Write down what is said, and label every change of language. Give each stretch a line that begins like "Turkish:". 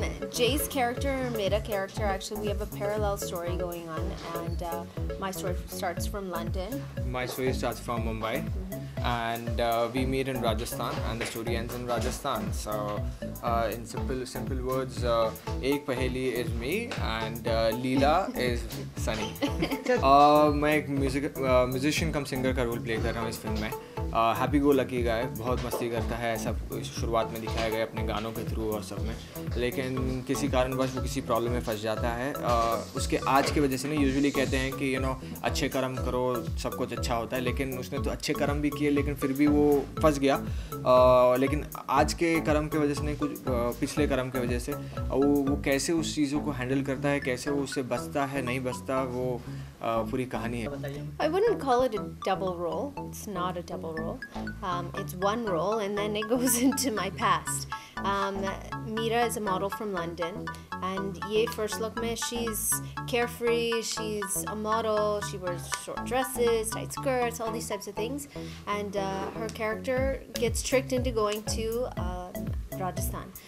English: Jay's character made a character. Actually, we have a parallel story going on, and my story starts from London. My story starts from Mumbai. And we meet in Rajasthan, and the story ends in Rajasthan. So, in simple words, ek paheli is me, and Leela is Sunny.
Hindi: मैं एक musician कम singer का role play कर रहा हूँ इस film में.
English: Happy go lucky guy,
Hindi: बहुत मस्ती करता है. सब शुरुआत में दिखाया गया अपने गानों के through और सब में. लेकिन किसी कारणवश वो किसी problem में फंस जाता है. उसके आज के वजह से ना usually कहते हैं कि you know अच्छे कर्म करो सब कुछ अच्छा होता है. लेकिन उसने तो अच्छे कर्म भी किए लेकिन फिर भी वो फंस गया. लेकिन आज के कर्म के वजह से नहीं कुछ पिछले कर्म के वजह से वो कैसे उस चीज़ों को हैंडल करता है, कैसे वो उससे बचता है नहीं बचता, वो पूरी कहानी है.
English: I wouldn't call it a double role. It's not a double role. It's one role and then it goes into my past. Meera is a model from London and
Hindi: ye first look mein
English: she's carefree, she's a model, she wears short dresses, tight skirts, all these types of things, and her character gets tricked into going to Rajasthan.